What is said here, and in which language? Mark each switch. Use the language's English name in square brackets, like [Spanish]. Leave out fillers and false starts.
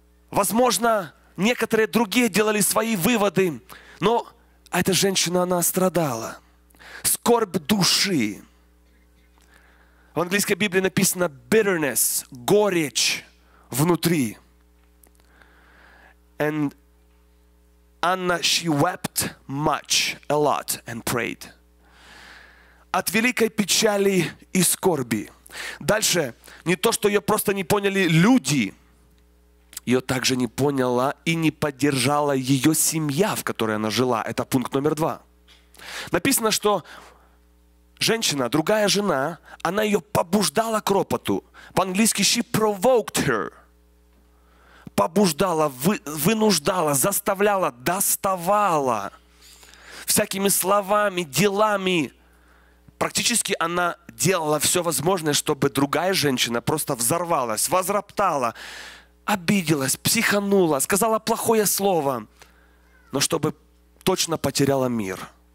[Russian] Возможно, некоторые другие делали свои выводы. Но эта женщина, она страдала. Скорбь души. В английской Библии написано bitterness, горечь внутри. [English] And Anna, she wept much, a lot, and prayed. [Russian] От великой печали и скорби. Дальше, не то, что ее просто не поняли люди, ее также не поняла и не поддержала ее семья, в которой она жила. Это пункт номер два. Написано, что женщина, другая жена, она ее побуждала к ропоту. По-английски [English] she provoked her. [Russian] Побуждала, вынуждала, заставляла, доставала всякими словами, делами. Практически она делала все возможное, чтобы другая женщина просто взорвалась, возроптала, обиделась, психанула, сказала плохое слово, но чтобы точно потеряла мир.